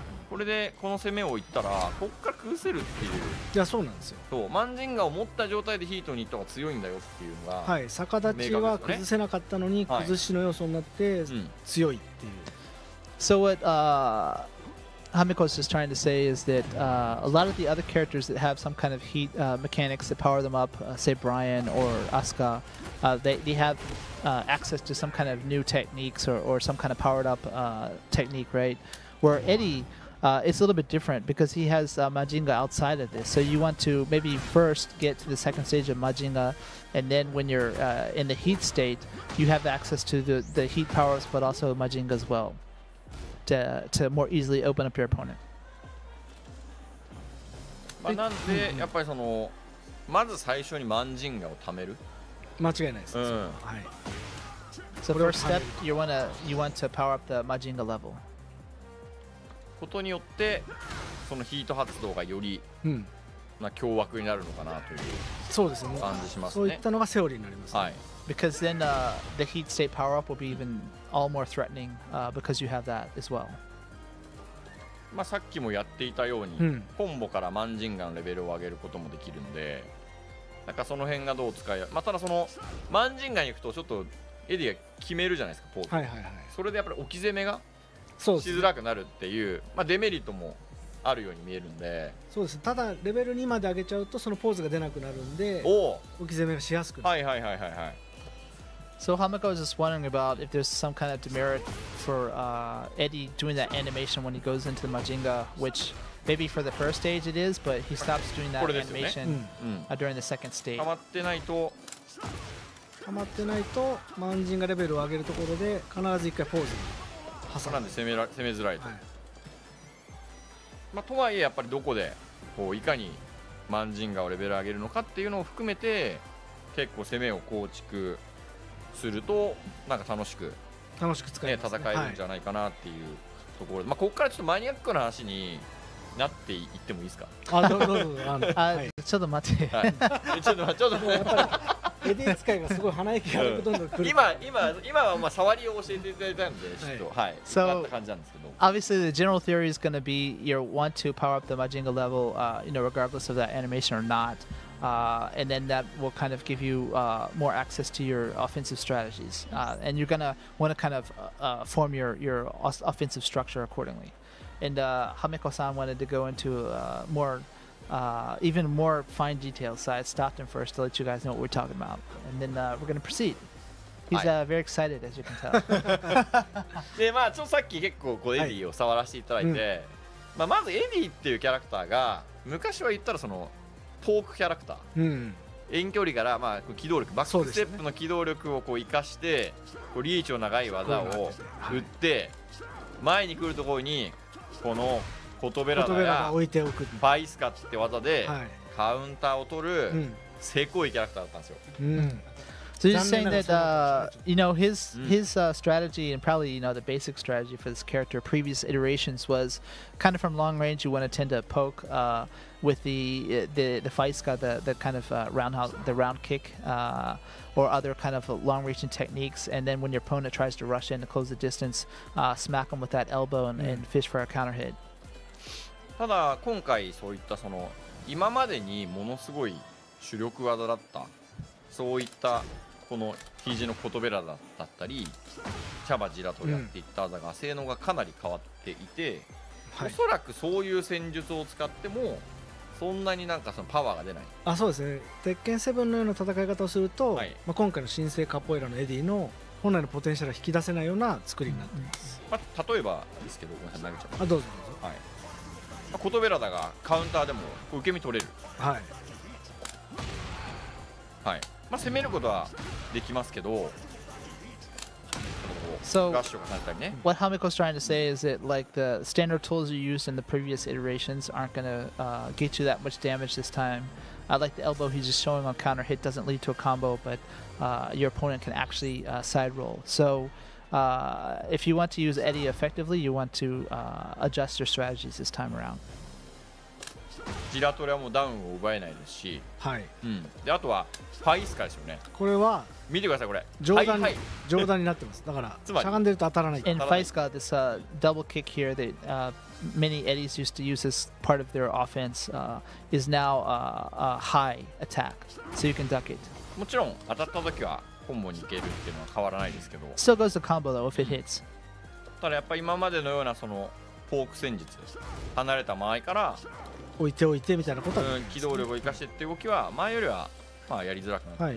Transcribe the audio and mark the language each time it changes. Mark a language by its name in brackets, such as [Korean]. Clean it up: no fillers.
[Japanese] これでこの攻めを行ったらこっから崩せるっていう、いや、そうなんですよ、そう、マンジンガを持った状態でヒートに行った方が強いんだよっていうのが、はい、逆立ちは崩せなかったのに崩しの要素になって強いっていう、はい、う [English] ん、So what Hamiko is just trying to say is that a lot of the other characters that have some kind of heat mechanics that power them up, say Brian or Asuka, they have access to some kind of new techniques or some kind of powered up technique, right? Where Eddie, it's a little bit different because he has Majinga outside of this. So you want to maybe first get to the second stage of Majinga, and then when you're in the heat state, you have access to the heat powers, but also Majinga as well. To more easily open up your opponent. [Japanese] まあ、なんでやっぱりそのまず最初にマンジンガを貯める。間違いないです。うん、はい。 [English] So first step, you want to power up the マジンガ level. [Japanese] ことによってそのヒート発動がより、うん、まあ、凶悪になるのかなという感じしますね。そういったのがセオリーになります、ね。はい。 [English] Because then the heat state power up will be even all more threatening because you have that as well. [Japanese] まあさっきもやっていたように、うん、コンボからマンジンガのレベルを上げることもできるんで、なんかその辺がどう使え、まあ、ただそのマンジンガに行くとちょっとエディが決めるじゃないですかポーズ、はいはいはい、それでやっぱり置き攻めがしづらくなるってい う、まあ、デメリットもあるように見えるんで、そうです、ただレベル2まで上げちゃうとそのポーズが出なくなるんで、お置き攻めがしやすくなる、はいはいはいはいはい、 [English] So Hamiko was just wondering about if there's some kind of demerit for Eddie doing that animation when he goes into the Majinga, which maybe for the first stage it is, but he stops doing that animation、 [Japanese] ね、 [English] during the second stage. [Japanese] ハマってないと、ハマってないとマンジンガレベルを上げるところで必ず一回ポーズに挟む。なんで攻めづらいと、はい、まあ、とはいえやっぱりどこでこういかにマンジンガをレベル上げるのかっていうのを含めて結構攻めを構築するとなんか楽しく使えますね、戦えるんじゃないかなっていうところで、はい、まあ、ここからちょっとマニアックな話になっていってもいいですか、あ、どうぞあの、はい、ちょっと待って、はい、ちょっとやっぱりエディ使いがすごい鼻息がどんどん来る、うん、今はまあ触りを教えていただいたんでちょっと、はい、そうなった感じなんですけど、 [English] Obviously the general theory is going to be you want to power up the Majinga level you know, regardless of that animation or notand then that will kind of give you more access to your offensive strategies. And you're going to want to kind of form your offensive structure accordingly. And Hamiko-san wanted to go into more even more fine details. So I stopped him first to let you guys know what we're talking about. And then we're going to proceed. He's very excited, as you can tell. [Japanese] で、まあ、ちょっとさっき結構こうエディを触らせていただいて、はい、まあ、まずエディっていうキャラクターが昔は言ったらその遠くキャラクター、うん、遠距離からまあ機動力バックステップの機動力をこう生かしてこうリーチの長い技を打って前に来るところにこのコトベラダやバイスカッチって技でカウンターを取るせこいキャラクターだったんですよ、うん、 [English] So you're saying that you know his strategy and probably you know the basic strategy for this character previous iterations was kind of from long range you want to tend to poke with the faiska the kind of roundhouse the round kick or other kind of long reaching techniques and then when your opponent tries to rush in to close the distance smack him with that elbow and,、mm. and fish for a counter hit. [Japanese] ただ今回そういったその今までにものすごい主力技だったそういったこの肘のコトベラだったりキャバジラとやっていった技が性能がかなり変わっていて、うん、おそらくそういう戦術を使ってもそんなになんかそのパワーが出ない、はい、あ、そうですね。鉄拳7のような戦い方をすると、はい、まあ、今回の新生カポエラのエディの本来のポテンシャルを引き出せないような作りになっています、うん、まあ、例えばですけど、ごめんなさい、投げちゃった。あ、どうぞどうぞ、はい、まあ、コトベラだがカウンターでも受け身取れる、はいはい、まあ、攻めることはできますけど、 [English] So what Hameko's trying to say is that like the standard tools you used in the previous iterations aren't gonna get you that much damage this time. I like the elbow he's just showing on counter hit doesn't lead to a combo, but your opponent can actually side roll. So if you want to use Eddie effectively, you want to adjust your strategies this time around. [Japanese] ジラトレはもうダウンを奪えないですし、はい、うん、であとはファイスカですよね。これは見てくださいこれ上段、はいはい、上段になってます。だからつまりしゃがんでると当たらない。 [English] And Faiska this double kick here that many Eddies used to use as part of their offense is now a high attack, so you can duck it. [Japanese] もちろん当たった時はコンボに行けるっていうのは変わらないですけど。 [English] Still goes to combo though if it hits. [Japanese] ただやっぱり今までのようなそのフォーク戦術です。離れた間合いから置いておいてみたいなことは、うん、機動力を生かしてっていう動きは前よりはまあやりづらくなる、